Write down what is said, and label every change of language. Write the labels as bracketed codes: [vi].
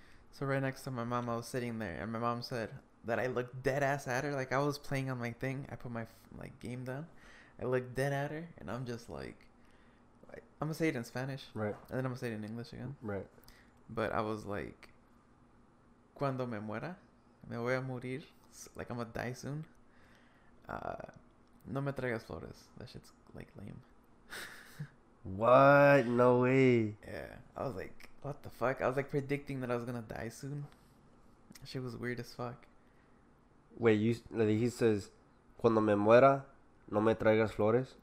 [en] So right next to my mom, I was sitting there, and my mom said that I looked dead ass at her. Like, I was playing on my thing. I put my, like, game down. I looked dead at her, and I'm just like, I'm going to say it in Spanish. Right. And then I'm going to say it in English again. Right. But I was like, [es] cuando me muera, me voy a morir. [en] Like, I'm going to die soon. [es] No me traigas flores. [en] That shit's, like, lame. What? No way. Yeah. I was like, what the fuck? I was like predicting that I was gonna die soon. Shit was weird as fuck. Wait, you like he says, [es] cuando me muera, no me traigas flores?